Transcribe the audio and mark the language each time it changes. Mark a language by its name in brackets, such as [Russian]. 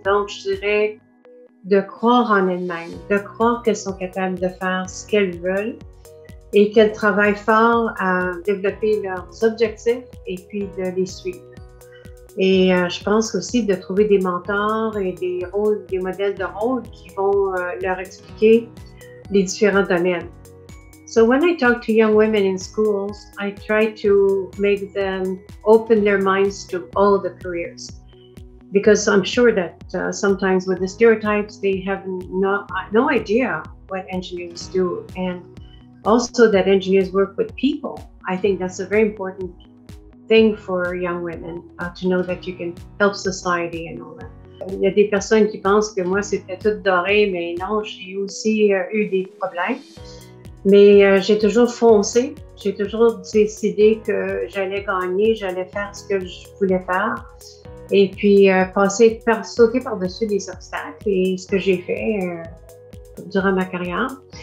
[French] Donc, je dirais de croire en elles-mêmes, de croire qu'elles sont capables de faire ce qu'elles veulent et qu'elles travaillent fort à développer leurs objectifs et puis de les suivre. Et je pense aussi de trouver des mentors et des modèles de rôle qui vont leur expliquer les différents domaines. [English] So when I talk to young women in schools, I try to make them open their minds to all the careers. Because I'm sure that sometimes with the stereotypes, they have no idea what engineers do. And also that engineers work with people. I think that's a very important thing for young women to know that you can help society and all that. [French] Il y a des personnes qui pensent que moi, c'était tout doré, mais non, j'ai aussi eu des problèmes. Mais j'ai toujours foncé, j'ai toujours décidé que j'allais gagner, j'allais faire ce que je voulais faire. Et puis, sauter par-dessus les obstacles, et ce que j'ai fait durant ma carrière.